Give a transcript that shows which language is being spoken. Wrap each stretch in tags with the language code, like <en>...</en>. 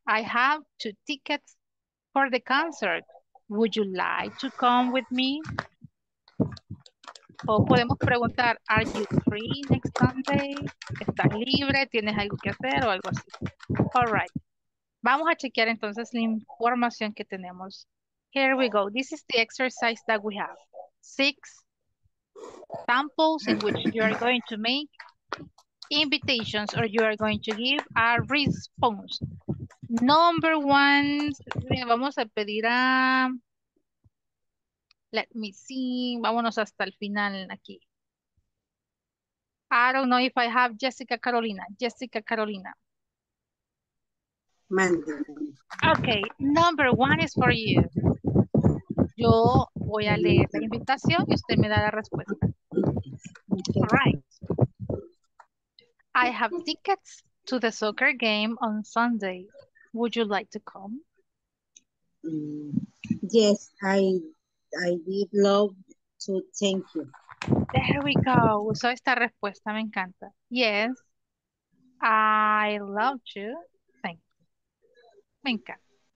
<en>I have 2 tickets for the concert. Would you like to come with me?</en> <es>O podemos preguntar,</es> <en>are you free next Sunday?</en> <es>¿Estás libre? ¿Tienes algo que hacer? O algo así.</es> <en>All right.</en> <es>Vamos a chequear entonces la información que tenemos.</es> <en>Here we go. This is the exercise that we have. 6 samples in which you are going to make invitations or you are going to give a response. Number one, vamos a pedir a, let me see, vámonos hasta el final aquí. I don't know if I have Jessica Carolina. Jessica Carolina. Mandy. Okay, number one is for you.</en> <es>Yo voy a leer la invitación y usted me da la respuesta.</es> <en>All right. I have tickets to the soccer game on Sunday. Would you like to come? Yes, I would love to. Thank you. There we go.</en> <es>Usó esta respuesta, me encanta.</es> <en>Yes, I love to. Thank you.</en> <es>Me encanta.</es>